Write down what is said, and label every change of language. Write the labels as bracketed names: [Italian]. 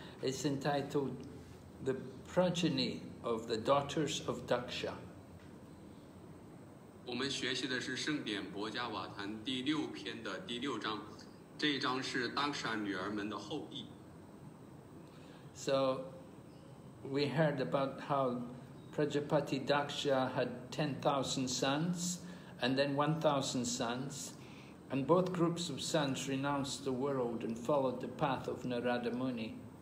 [English] It's entitled "The Progeny of the Daughters of Daksha." [Chinese] 我们学习的是圣典博伽瓦坛第六篇的第六章，这一章是当沙女儿们的后裔。 [English] So, we heard about how Prajapati Daksha had 10,000 sons and then 1,000 sons, and both groups of sons renounced the world and followed the path of Narada Muni.